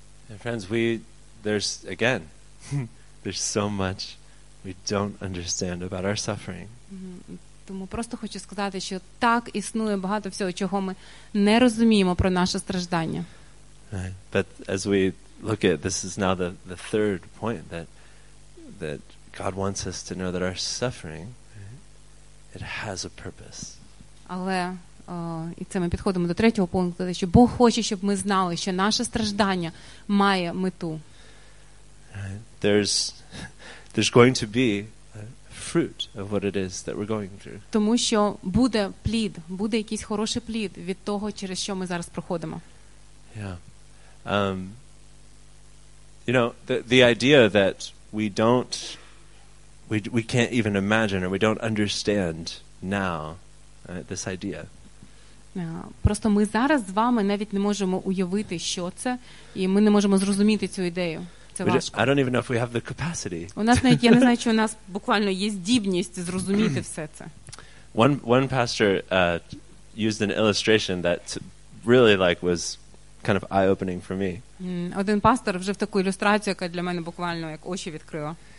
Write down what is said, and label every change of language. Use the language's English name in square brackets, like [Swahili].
[English] And friends, there's so much we don't understand about our suffering. [Ukrainian] Тому просто хочу сказати, що так існує багато всього, чого ми не розуміємо про наше страждання. [English] But as we look at, this is now the third point that God wants us to know that our suffering, it has a purpose. [Ukrainian] Але і це ми підходимо до третього пункту, що Бог хоче, щоб ми знали, що наше страждання має мету. [English] There's going to be a fruit of what it is that we're going through. [Ukrainian] Тому що буде плід, буде якийсь хороший плід від того, через що ми зараз проходимо. [English] Yeah. The idea that we can't even imagine or we don't understand now this idea. [Ukrainian] Просто ми зараз з вами навіть не можемо уявити, що це, і ми не можемо зрозуміти цю ідею. Це важко. [English] I don't even know if we have the capacity. [Ukrainian] У нас навіть я не знаю, чи у нас буквально є здібність зрозуміти все це. [English] One pastor used an illustration that really was kind of eye-opening for me. [Ukrainian] Один пастор вже в таку ілюстрацію, яка для мене буквально як очі відкрила.